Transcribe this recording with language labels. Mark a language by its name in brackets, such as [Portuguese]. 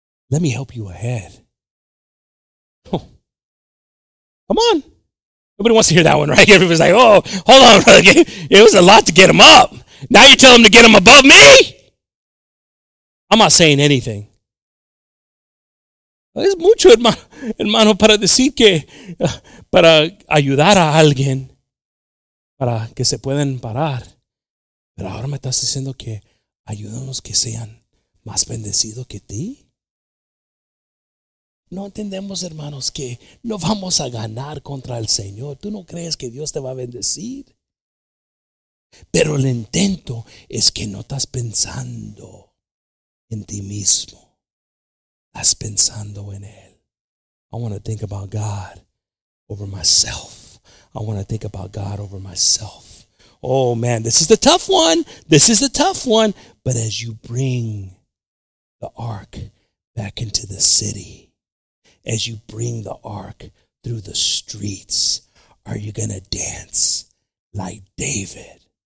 [English] Let me help you ahead. Come on. Nobody wants to hear that one, right? Everybody's like, oh, hold on, brother. It was a lot to get him up. Now you tell him to get him above me? I'm not saying anything. [Spanish] Es mucho, hermano, para decir que, para ayudar a alguien, para que se puedan parar. Pero ahora me estás diciendo que ayúdanos que sean más bendecidos que ti. No entendemos, hermanos, que no vamos a ganar contra el Señor. ¿Tú no crees que Dios te va a bendecir? Pero el intento es que no estás pensando en ti mismo. Estás pensando en Él. [English] I want to think about God over myself. I want to think about God over myself. Oh, man, this is a tough one. This is a tough one. But as you bring the ark back into the city, as you bring the ark through the streets, are you going to dance like David?